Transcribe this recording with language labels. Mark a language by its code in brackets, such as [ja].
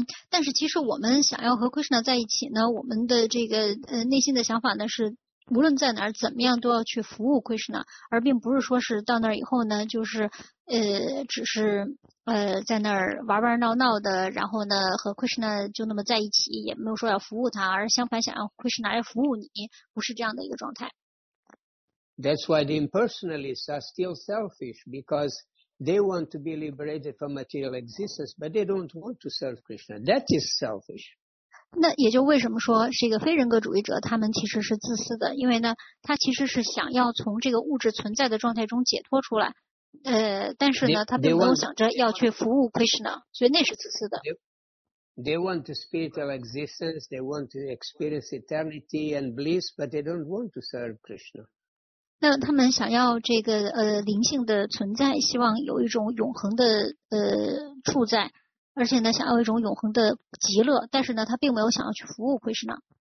[zh] 但是其实我们想要和 Krishna 在一起呢，我们的这个内心的想法呢是，无论在哪儿怎么样都要去服务 Krishna， 而并不是说是到那儿以后呢，就是只是在那儿玩玩闹闹的，然后呢和 Krishna 就那么在一起，也没有说要服务他，而相反想要 Krishna 来服务你，不是这样的一个状态。 [en] That's why the impersonalists are still selfish because they want to be liberated from material existence, but they don't want to serve Krishna. That is selfish. [zh] 那也就为什么说是一个非人格主义者，他们其实是自私的，因为呢，他其实是想要从这个物质存在的状态中解脱出来，但是呢，他并没有想着要去服务 Krishna， 所以那是自私的。 [en] They want a spiritual existence, they want to experience eternity and bliss, but they don't want to serve Krishna. [zh] 那他们想要这个灵性的存在，希望有一种永恒的处在，而且呢想要一种永恒的极乐，但是呢他并没有想要去服务 Krishna。